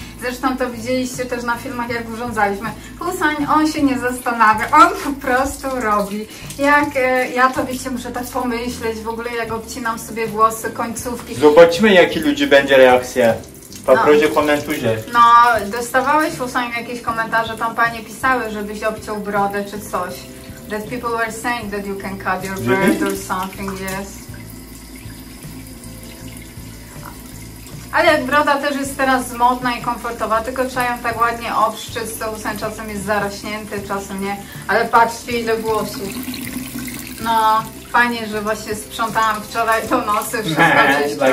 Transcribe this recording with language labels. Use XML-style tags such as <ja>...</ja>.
<pl>Zresztą to widzieliście też na filmach, jak urządzaliśmy. Husajn, on się nie zastanawia, on po prostu robi. Jak ja to, wiecie, muszę tak pomyśleć, w ogóle jak obcinam sobie włosy, końcówki. Zobaczmy, jakie ludzie będzie reakcja. Poproszę, komentujcie. No, dostawałeś, Husajn, jakieś komentarze, tam panie pisały, żebyś obciął brodę czy coś.</pl> <en>That people were saying that you can cut your beard or something, yes.</en> <pl>Ale jak broda też jest teraz modna i komfortowa, tylko trzeba ją tak ładnie obszczyć, to Husajn czasem jest zarośnięty, czasem nie. Ale patrzcie, ile włosów. No, fajnie, że właśnie sprzątałam wczoraj to nosy, wszystko czyściłam.</pl>